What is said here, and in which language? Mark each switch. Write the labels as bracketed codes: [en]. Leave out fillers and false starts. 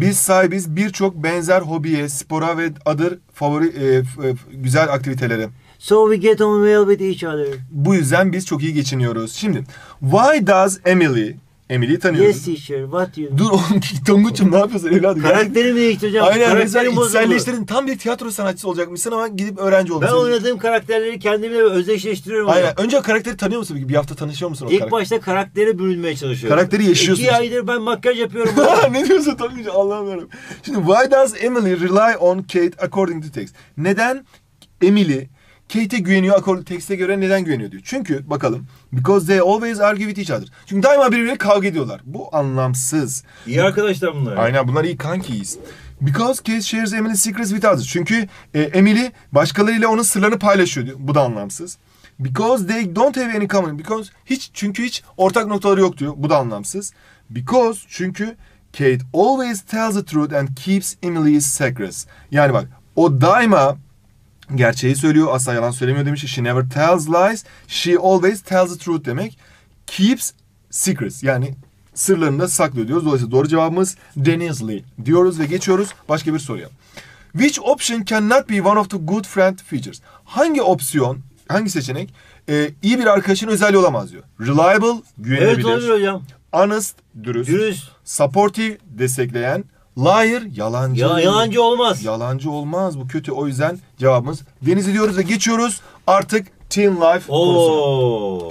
[tr] Biz sahibiz birçok benzer hobiye, spora ve other favori güzel aktivitelere. [en] So we get on well with each other. [tr] Bu yüzden biz çok iyi geçiniyoruz. Şimdi, [en] why does Emily... [tr] Emily'yi tanıyoruz. [en] Yes teacher, what you... [tr] Dur oğlum, Tonguç'um ne yapıyorsun evladım? Karakterimi değiştireceğim. Aynen, karakterim bozuldu. İçselleştirdin, tam bir tiyatro sanatçısı olacakmışsın ama gidip öğrenci olmuşsun. Ben oynadığım karakterleri kendimle özdeşleştiriyorum. Aynen, hocam. Önce karakteri tanıyor musun? Bir hafta tanışıyor musun? İlk başta karaktere bürünmeye çalışıyorum. Karakteri yaşıyorsun. İki aydır ben makyaj yapıyorum. Ne diyorsun Tonguç, Allah'ım yarabbim. Şimdi, [en] why does Emily rely on Kate according to text? [tr] Neden Emily... Kate'e güveniyor, akordu tekste göre neden güveniyor diyor. Çünkü bakalım. [en] Because they always argue with each other. [tr] Çünkü daima birbiriyle kavga ediyorlar. Bu anlamsız. İyi arkadaşlar bunlar. Aynen, bunlar iyi kankiyiz. [en] Because Kate shares Emily's secrets with others. [tr] Çünkü Emily başkalarıyla onun sırlarını paylaşıyor diyor. Bu da anlamsız. [en] Because they don't have any common. [tr] Because hiç, çünkü hiç ortak noktaları yok diyor. Bu da anlamsız. [en] Because, çünkü Kate always tells the truth and keeps Emily's secrets. [tr] Yani bak, o daima gerçeği söylüyor, asla yalan söylemiyor demiş. [en] She never tells lies. She always tells the truth demek. Keeps secrets. [tr] Yani sırlarını da saklıyor diyoruz. Dolayısıyla doğru cevabımız Denizli diyoruz ve geçiyoruz başka bir soruya. [en] Which option cannot be one of the good friend features? [tr] Hangi opsiyon, hangi seçenek iyi bir arkadaşın özelliği olamaz diyor. Reliable, güvenilir. Evet, olabilir hocam. Honest, dürüst. Dürüst. Supportive, destekleyen. Liar, yalancı. Yalancı olmaz. Yalancı olmaz, bu kötü. O yüzden cevabımız Denizli diyoruz ve geçiyoruz artık Teen Life konusuna.